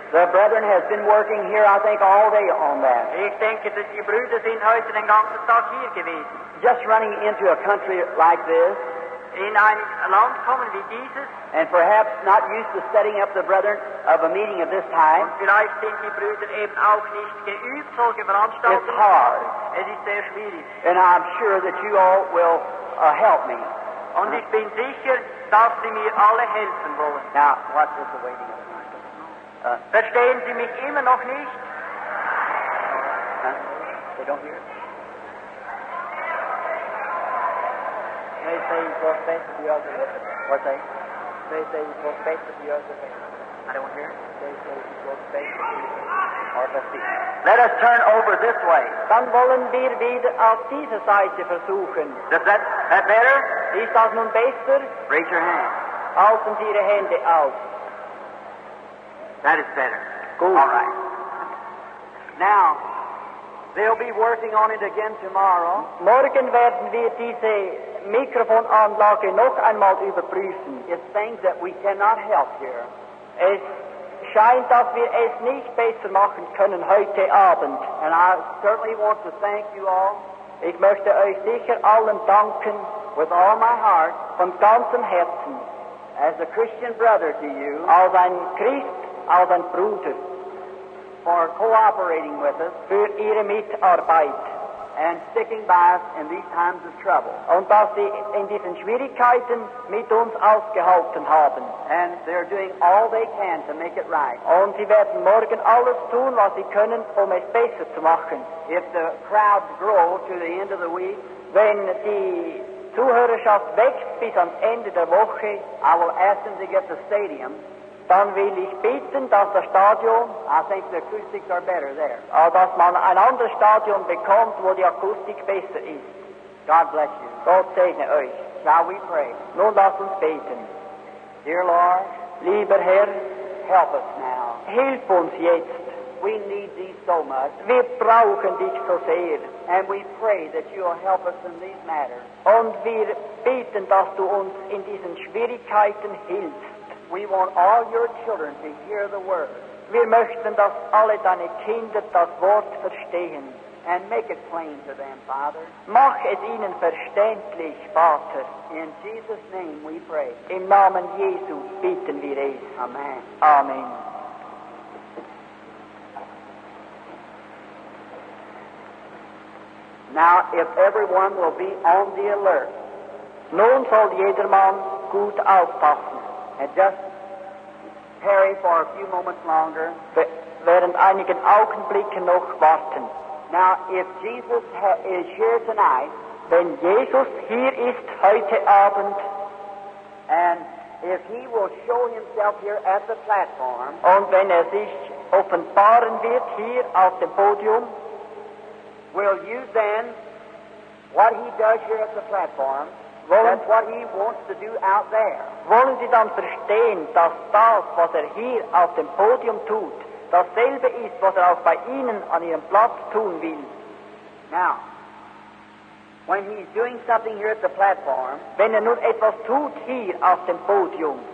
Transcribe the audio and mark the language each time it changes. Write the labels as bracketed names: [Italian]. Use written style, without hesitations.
[English] The brethren has been working here, I think, all day on that. [German] Ich denke, dass die Brüder sind heute den ganzen Tag hier gewesen. [English] Just running into a country like this. [German] In ein Land kommen wie dieses. [English] And perhaps not used to setting up the brethren of a meeting of this time. [German] Und vielleicht sind die Brüder eben auch nicht geübt, solche Veranstaltungen. [English] It's hard. [German] Es ist sehr schwierig. [English] And I'm sure that you all will help me. [German] Und ich bin sicher, dass Sie mir alle helfen wollen. [English] Now, what is the waiting of [German] Verstehen Sie mich immer noch nicht? [English] They don't hear it? They say it was better the other way. What they? They say it was better the other way. I don't hear it. They say it was better the other way. Let us turn over this way. [German] Dann wollen wir wieder auf diese Seite versuchen. [English] Does that, that better? [German] Ist das nun besser? [English] Raise your hand. [German] Halten Sie Ihre Hände auf. [English] That is better. [German] Gut. [English] All right. Now, they'll be working on it again tomorrow. [German] Morgen werden wir diese Mikrofonanlage noch einmal überprüfen. [English] It's things that we cannot help here. [German] Es scheint, dass wir es nicht besser machen können heute Abend. [English] And I certainly want to thank you all. [German] Ich möchte euch sicher allen danken. [English] With all my heart. [German] Von ganzem Herzen. [English] As a Christian brother to you. [German] Als ein Christ, als ein Bruder. [English] For cooperating with us. [German] Für ihre Mitarbeit. [English] And sticking by us in these times of trouble. [German] Und dass sie in diesen Schwierigkeiten mit uns ausgehalten haben. [English] And they're doing all they can to make it right. [German] Und sie werden morgen alles tun, was sie können, um es besser zu machen. [English] If the crowds grow to the end of the week, [German] wenn die Zuhörerschaft wächst bis ans Ende der Woche, [English] I will ask them to get the stadium. [German] Dann will ich bitten, dass das Stadion, [English] I think the acoustics are better there. [German] Dass man ein anderes Stadion bekommt, wo die Akustik besser ist. [English] God bless you. [German] Gott segne euch. [English] Shall we pray? [German] Nun lass uns beten. [English] Dear Lord, [German] lieber Herr, [English] help us now. [German] Hilf uns jetzt. [English] We need thee so much. [German] Wir brauchen dich so sehr. [English] And we pray that you will help us in these matters. [German] Und wir beten, dass du uns in diesen Schwierigkeiten hilfst. [English] We want all your children to hear the word. [German] Wir möchten, dass alle deine Kinder das Wort verstehen. [English] And make it plain to them, Father. [German] Mach es ihnen verständlich, Vater. [English] In Jesus' name we pray. [German] Im Namen Jesu bitten wir es. [English] Amen. [German] Amen. [English] Now, if everyone will be on the alert. [German] Nun soll jedermann gut aufpassen. [English] And just tarry for a few moments longer. [German] Während einigen Augenblicken noch warten. [English] Now, if Jesus is here tonight, [German] wenn Jesus hier ist heute Abend, [English] and if he will show himself here at the platform, [German] und wenn sich offenbaren wird hier auf dem Podium, [English] will you then, what he does here at the platform, that's what he wants to do out there. [German] Wollen Sie dann verstehen, dass das, was hier auf dem Podium tut, dasselbe ist, was auch bei Ihnen an Ihrem Platz tun will? [English] Now, when he's doing something here at the platform, [German] wenn nun etwas tut hier auf dem Podium,